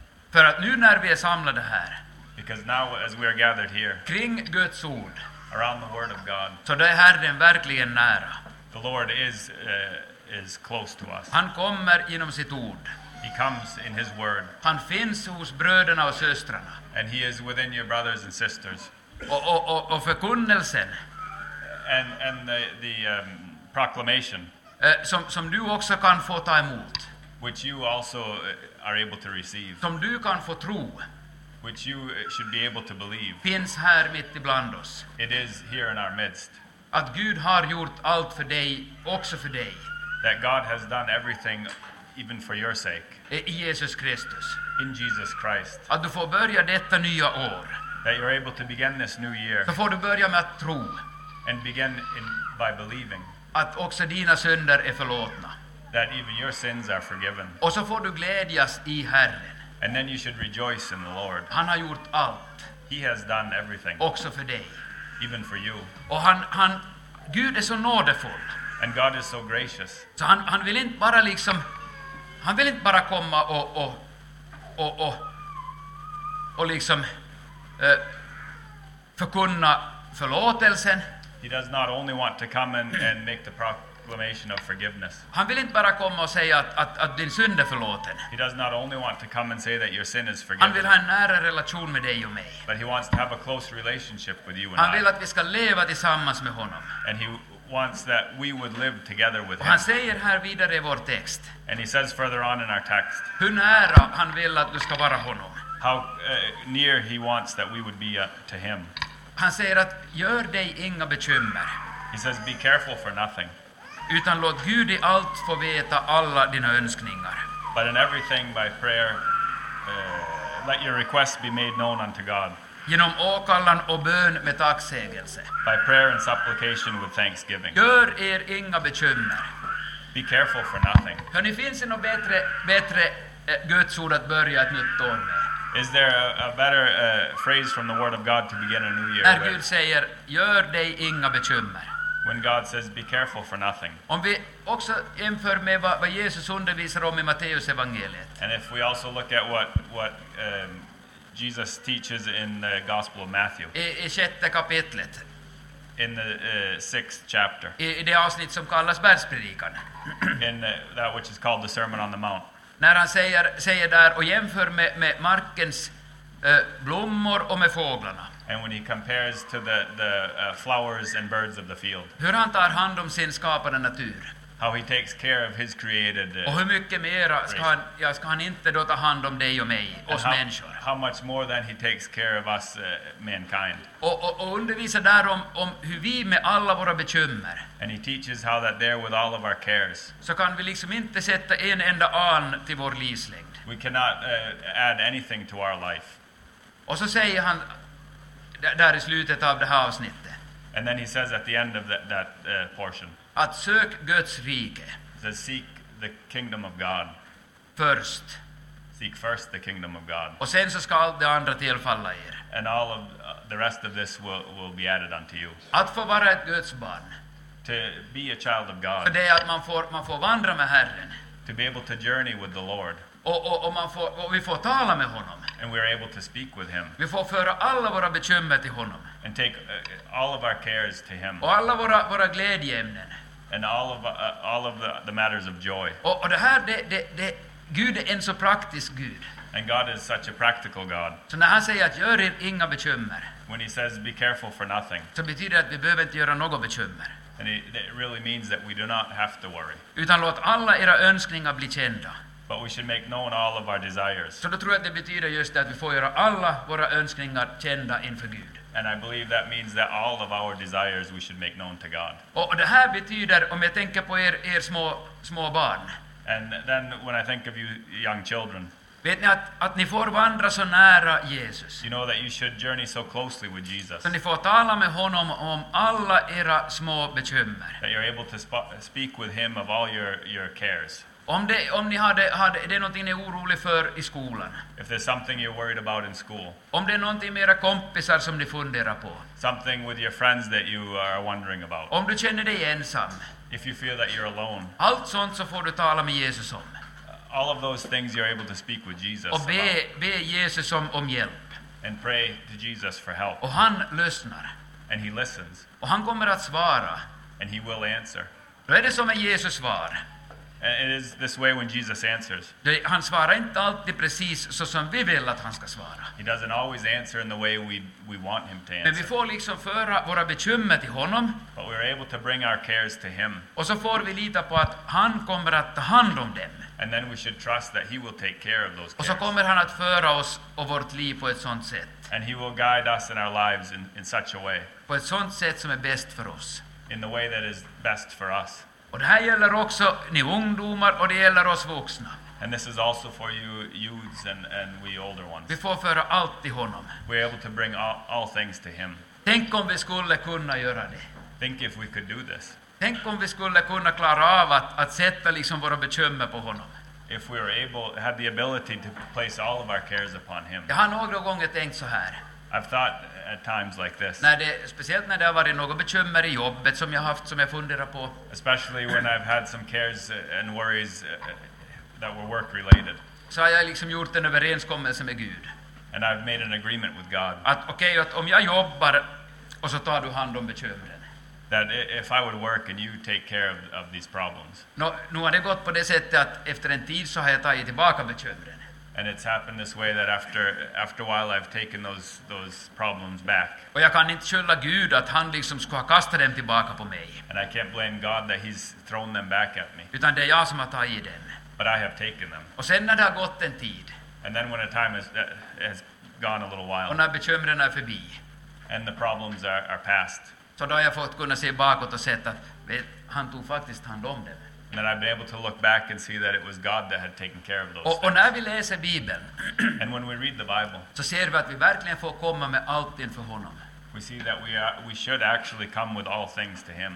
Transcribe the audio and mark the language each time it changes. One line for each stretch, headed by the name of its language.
Swedish: För att nu när vi är samlade här.
English: Because now as we are gathered here.
Swedish: Kring Guds ord.
English: Around the word of God.
Swedish: Så då är Herren verkligen nära.
English: The Lord is close to us.
Swedish: Han kommer genom sitt ord.
English: He comes in his word.
Swedish: Han finns hos bröderna och systrarna.
English: And he is within your brothers and sisters.
Swedish: Och förkunnelsen.
English: And the proclamation.
Swedish: Som du också kan få ta emot.
English: Which you also are able to receive.
Swedish: Som du kan få tro.
English: Which you should be able to believe.
Swedish: Finns här mitt ibland oss.
English: It is here in our midst.
Swedish: Att Gud har gjort allt för dig, också för dig.
English: That God has done everything even for your sake.
Swedish: I Jesus Kristus.
English: In Jesus Christ.
Swedish: Att du får börja detta nya år.
English: That you're able to begin this new year.
Swedish: Så får du börja med att tro.
English: And begin by believing.
Swedish: Att också dina synder är förlåtna.
English: That even your sins are forgiven.
Swedish: Och så får du glädjas i Herren.
English: And then you should rejoice in the Lord.
Swedish: Han har gjort allt.
English: He has done everything.
Swedish: Också för dig.
English: Even for you.
Swedish: Och han Gud är så nådefull.
English: And God is so gracious.
Swedish: Så han vill inte bara liksom han vill inte bara komma och liksom förkunna förlåtelsen.
English: He does not only want to come and make the proclamation of forgiveness.
Swedish: Han vill inte bara komma och säga att din synd är förlåten.
English: He does not only want to come and say that your sin is forgiven.
Swedish: Han vill ha en nära relation med dig och mig.
English: But he wants to have a close relationship with you and
Swedish: Han
English: I.
Swedish: Han vill att vi ska leva tillsammans med honom.
English: And he wants that we would live together with
Swedish: Han säger här vidare i vår text.
English: And he says further on in our text.
Swedish: Hur nära han vill att du ska vara honom.
English: How near he wants that we would be to him.
Swedish: Han säger att gör dig inga bekymmer.
English: He says be careful for nothing.
Swedish: Utan låt Gud i allt få veta alla dina önskningar.
English: But in everything by prayer let your requests be made known unto God.
Swedish: Genom åkallan och bön med tacksägelse.
English: By prayer and supplication with thanksgiving.
Swedish: Gör er inga bekymmer.
English: Be careful for nothing.
Swedish: Hörni, finns det något bättre Guds ord att börja ett nytt år med?
English: Is there a better phrase from the word of God to begin a new year?
Swedish: När Gud säger gör dig inga bekymmer.
English: When God says be careful for nothing.
Swedish: Om vi också jämför med vad Jesus undervisar om i Matteus evangeliet.
English: And if we also look at what Jesus teaches in the Gospel of Matthew.
Swedish: I sjätte kapitlet.
English: In the sixth chapter.
Swedish: I det avsnitt som kallas bergspredikan.
English: In that which is called the Sermon on the Mount.
Swedish: När han säger där och jämför med markens blommor och med fåglarna.
English: And when he compares to the flowers and birds of the field.
Swedish: Hur han tar hand om sin skapade natur.
English: How he takes care of his created.
Swedish: Och hur mycket mer ska han inte då ta hand om dig och mig, oss människor.
English: How much more than he takes care of us mankind.
Swedish: Och undervisa där om hur vi med alla våra bekymmer.
English: And he teaches how that there with all of our cares.
Swedish: Så kan vi liksom inte sätta en enda an till vår livslängd.
English: We cannot add anything to our life.
Swedish: Och så säger han där i slutet av det här avsnittet.
English: And then he says at the end of that portion.
Swedish: Att sök Guds rike.
English: To seek the kingdom of God. First. Seek first the kingdom of God.
Swedish: Och sen så ska allt det andra tillfalla er.
English: And all of the rest of this will be added unto you.
Swedish: Att få vara ett Guds barn.
English: To be a child of God.
Swedish: För det att man får vandra med Herren.
English: To be able to journey with the Lord.
Swedish: Och vi får tala med honom.
English: And we're able to speak with him.
Swedish: Vi får föra alla våra bekymmer till honom.
English: And take all of our cares to him.
Swedish: Och alla våra glädjeämnen.
English: And all of the matters of joy.
Swedish: Och det här det Gud är en så praktisk Gud.
English: And God is such a practical God.
Swedish: Så när han säger att gör er inga bekymmer.
English: When he says be careful for nothing.
Swedish: Så betyder det att vi behöver inte göra några bekymmer.
English: And it really means that we do not have to worry.
Swedish: Utan låt alla era önskningar bli kända.
English: But we should make known all of our desires.
Swedish: Så då tror jag att det betyder just det att vi får göra alla våra önskningar kända inför Gud.
English: And I believe that means that all of our desires we should make known to God.
Swedish: Och det här betyder om jag tänker på er små barn.
English: And then when I think of you young children.
Swedish: Vet ni att ni får vandra så nära Jesus?
English: You know that you should journey so closely with Jesus.
Swedish: Så ni får tala med honom om alla era små bekymmer.
English: That you're able to speak with him of all your cares.
Swedish: Om ni hade det någonting ni är orolig för i skolan.
English: If there's something you're worried about in school.
Swedish: Om det är någonting med era kompisar som ni funderar på.
English: Something with your friends that you are wondering about.
Swedish: Om du känner dig ensam.
English: If you feel that you're alone.
Swedish: Allt sånt så får du tala med Jesus om.
English: All of those things you're able to speak with Jesus.
Swedish: Och be Jesus om hjälp.
English: And pray to Jesus for help.
Swedish: Och han lyssnar.
English: And he listens.
Swedish: Och han kommer att svara.
English: And he will answer.
Swedish: Då är det som en Jesus svar.
English: And it is this way when Jesus answers.
Swedish: Han svarar inte alltid precis så som vi vill att han ska svara.
English: He doesn't always answer in the way we want him to answer.
Swedish: Men vi får liksom föra våra bekymmer till honom.
English: But we're able to bring our cares to him.
Swedish: Och så får vi lita på att han kommer att ta hand om dem.
English: And then we should trust that he will take care of those cares.
Swedish: Och så kommer han att föra oss och vårt liv på ett sånt sätt.
English: And he will guide us in our lives in such a way.
Swedish: På ett sånt sätt som är bäst för oss.
English: In the way that is best for us.
Swedish: Och det här gäller också ni ungdomar och det gäller oss vuxna.
English: And this is also for you youths and we older ones.
Swedish: Vi får föra allt till honom.
English: We're able to bring all things to him.
Swedish: Tänk om vi skulle kunna göra det.
English: Think if we could do this.
Swedish: Tänk om vi skulle kunna klara av att sätta liksom våra bekymmer på honom.
English: If we were able had the ability to place all of our cares upon him.
Swedish: Jag har några gånger tänkt så här.
English: I've thought at times like this.
Swedish: Speciellt när det har varit några bekymmer i jobbet som jag haft som jag funderar på.
English: Especially when I've had some cares and worries that were work related.
Swedish: Så har jag liksom gjort en överenskommelse med Gud.
English: And I've made an agreement with God.
Swedish: Att okej, att om jag jobbar och så tar du hand om bekymren.
English: That if I would work and you take care of these problems.
Swedish: Nu har det gått på det sättet att efter en tid så har jag tagit tillbaka bekymren.
English: And it's happened this way that after a while I've taken those problems back.
Swedish: Och jag kan inte skylla Gud att han liksom ska ha kastat dem tillbaka på mig.
English: And I can't blame God that he's thrown them back at me.
Swedish: Utan det är jag som har tagit dem.
English: But I have taken them.
Swedish: Och sen när det har gått en tid.
English: And then when a time has gone a little while.
Swedish: Och när bekymren är förbi.
English: And the problems are past.
Swedish: Så då har jag fått kunna se bakåt och sett att han tog faktiskt hand om det.
English: And then I've been able to look back and see that it was God that had taken care of those things.
Swedish: Och när vi läser Bibeln.
English: And when we read the Bible.
Swedish: Så ser vi att vi verkligen får komma med allt inför honom.
English: We see that we should actually come with all things to him.